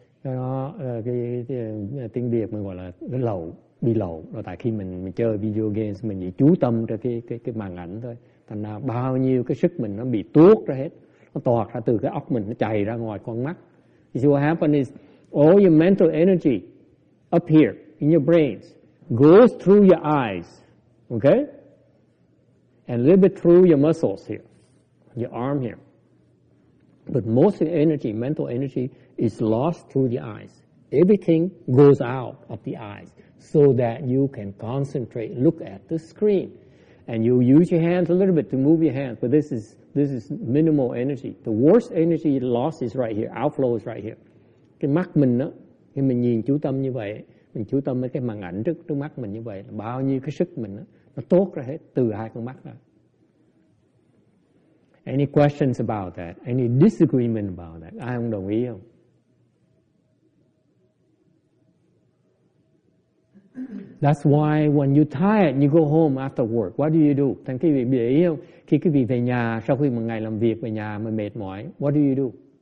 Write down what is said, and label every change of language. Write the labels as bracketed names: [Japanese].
[Vietnamese] Cái tiếng Việt mình gọi là cái lậu, bị lậu. Rồi tại khi mình chơi video games, mình chỉ chú tâm ra cái màn ảnh thôi. Thành ra bao nhiêu cái sức mình nó bị tuốt ra hết. Nó toạt ra từ cái óc mình, nó chảy ra ngoài con mắt. [English] You see what happened is all your mental energy up here in your brains goes through your eyes, okay? And a little bit through your muscles here, your arm here. But most of the energy, mental energy, is lost through the eyes. Everything goes out of the eyes so that you can concentrate, look at the screen. And you use your hands a little bit to move your hands, but this is minimal energy. The worst energy loss is right here, outflow is right here. [Vietnamese] Cái mắt mình đó, khi mình nhìn chú tâm như vậy, mình chú tâm với cái màn ảnh trước mắt mình như vậy, bao nhiêu cái sức mình đó, nó tốt ra hết từ hai con mắt ra. [English] Any questions about that? Any disagreement about that? [Vietnamese] Ai không đồng ý không? [English] That's why when you're tired, you go home after work. What do you do? [Vietnamese] Thành quý vị để ý không? Khi quý vị về nhà, sau khi một ngày làm việc về nhà mà mệt mỏi, [English] what do you do?